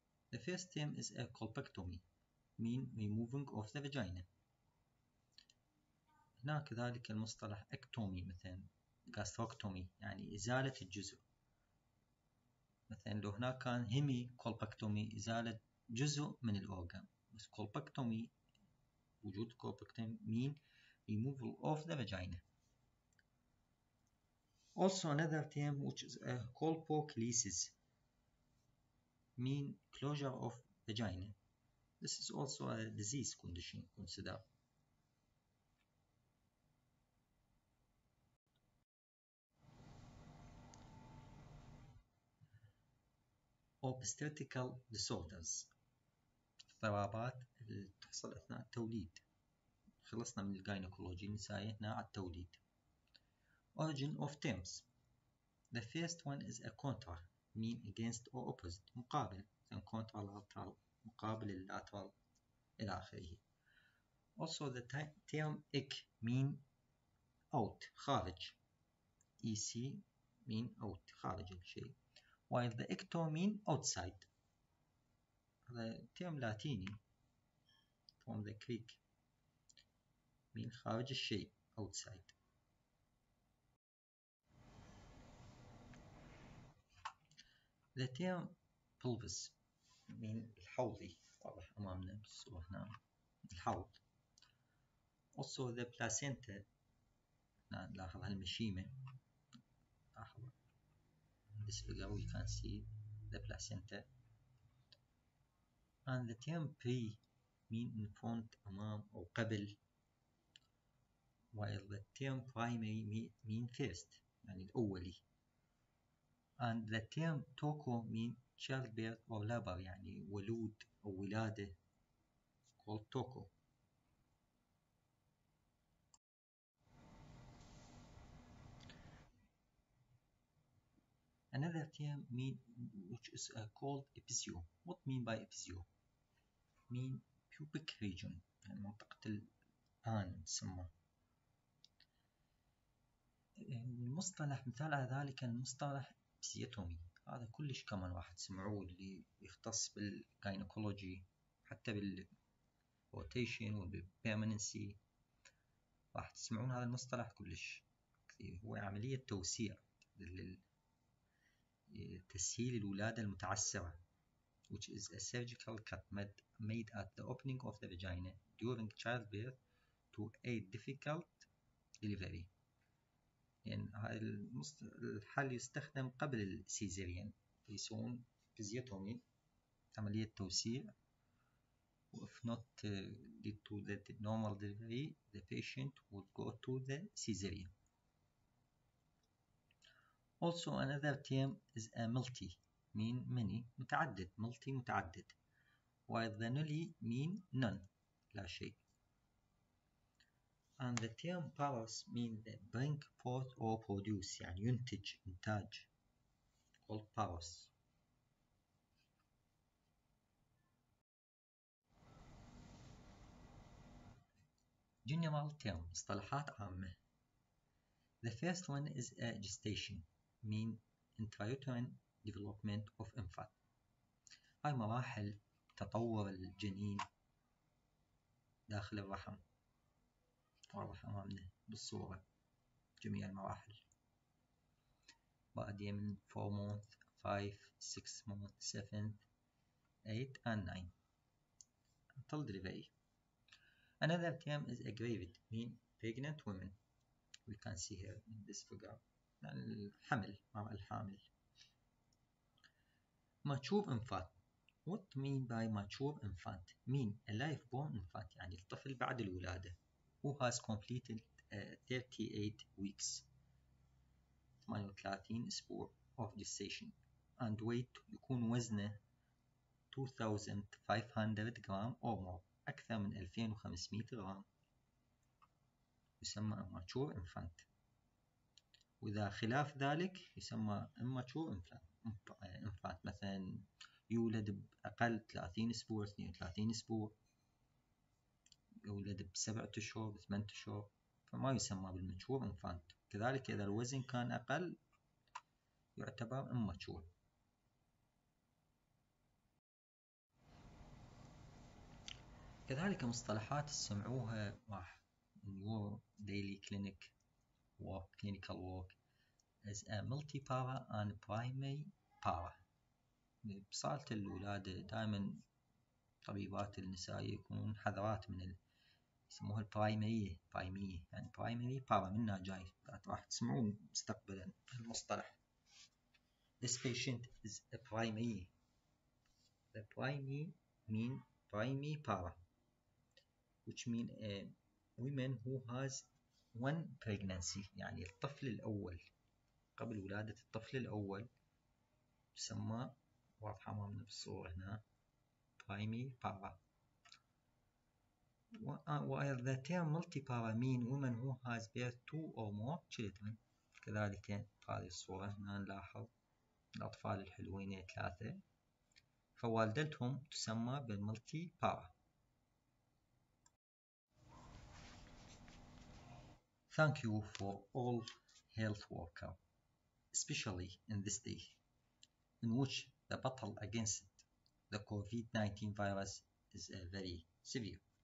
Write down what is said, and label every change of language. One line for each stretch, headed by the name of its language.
English: The first term is a colpectomy, mean removing of the vagina.
Arabic: هنا كذلك المصطلح ectomy مثلا gastrectomy يعني إزالة الجزء. مثلا لو هنا كان hemi colpectomy إزالة جزء من الأورجان. بس
English: colpectomy وجود colpectomy mean removal of the vagina. Also another term which is a colpoclesis, mean closure of vagina. This is also a disease condition consider. Obstetrical disorders. اضطرابات تحصل أثناء التوليد. خلصنا من الجينيكولوجي النسائي هنا على التوليد. Origin of terms. The first one is a contra. Mean against or opposite,
Arabic: مقابل,
English: and contralateral, مقابل lateral, إلى آخره. Also the term ek mean out,
Arabic: خارج.
English: EC mean out,
Arabic: خارج الشيء.
English: While the ecto mean outside. The term Latini from the Greek mean
Arabic: خارج الشيء,
English: outside. The term pelvis mean
Arabic: الحوضي واضح أمامنا بالصورة هنا الحوض.
English: Also the placenta
Arabic: لاحظ هالمشيمة لاحظ
English: in this figure we can see the placenta. And the term pre mean in front
Arabic: أمام أو قبل.
English: While the term primary mean first
Arabic: يعني الأولي.
English: And the term toko mean childbirth or labor,
Arabic: يعني ولود أو ولادة,
English: called toko. Another term mean which is called episio. What mean by episio? Mean pubic region,
Arabic: يعني منطقة الآن تسمى. المصطلح مثال على ذلك المصطلح بسيتومي، هذا كلش كمان واحد سمعوه اللي يختص بالجاينيكولوجي حتى بالروتيشن والبيرمننسي، راح تسمعون هذا المصطلح كلش كثير. هو عملية توسيع لتسهيل الولادة المتعسرة،
English: which is a surgical cut made at the opening of the vagina during childbirth to aid difficult delivery.
Arabic: لأن هذا الحل يستخدم قبل السيزيريان، يسوون فيزيوتومي عملية توسيع.
English: If not lead to the normal delivery, the patient would go to the caesarean. Also, another term is a multi, mean many,
Arabic: متعدد,
English: multi متعدد. While the nulli mean none,
Arabic: لا شيء.
English: And the term parous mean the bring forth or produce,
Arabic: يعني ينتج, إنتاج,
English: called parous. General term,
Arabic: مصطلحات عامة.
English: The first one is a gestation, mean intrauterine development of infant.
Arabic: هاي مراحل تطور الجنين داخل الرحم. واضح أمامنا بالصورة جميع المراحل. بعدين من
English: 4 month, 5, 6 month, 7, 8 and 9. Until delivery. Another term is a gravid, mean pregnant woman. We can see here in this figure.
Arabic: الحمل, مرأة الحامل.
English: Mature infant. What mean by mature infant? Mean a life born infant,
Arabic: يعني الطفل بعد الولادة.
English: Who has completed 38 weeks,
Arabic: 38 أسبوع
English: of gestation. And weight,
Arabic: يكون وزنه
English: 2500 gram or more.
Arabic: أكثر من 2500 غرام يسمى immature infant، وإذا خلاف ذلك يسمى immature infant. مثلا يولد بأقل 30 أسبوع، 32 أسبوع، يولد بسبعة أشهر، بثمانة أشهر، فما يسمى بالmature infant. كذلك إذا الوزن كان أقل يعتبر immature. كذلك مصطلحات تسمعوها راح
English: in your daily clinic work, clinical work as a multi-para and primary para.
Arabic: بصالة الولادة دائما طبيبات النساء يكونون حذرات من يسموها primary, يعني primary para منها جاي. راح تسمعون مستقبلا المصطلح
English: this patient is a primary. The primary mean primary para, which mean a woman who has one pregnancy,
Arabic: يعني الطفل الأول قبل ولادة الطفل الأول تسمى، واضحة أمامنا بالصورة هنا،
English: primary para. While the term multi para mean woman who has birth two or more children.
Arabic: كذلك هذه الصورة هنا نلاحظ الأطفال الحلوين ثلاثة، فوالدتهم تسمى بالmulti para.
English: Thank you for all health workers, especially in this day in which the battle against the COVID-19 virus is very severe.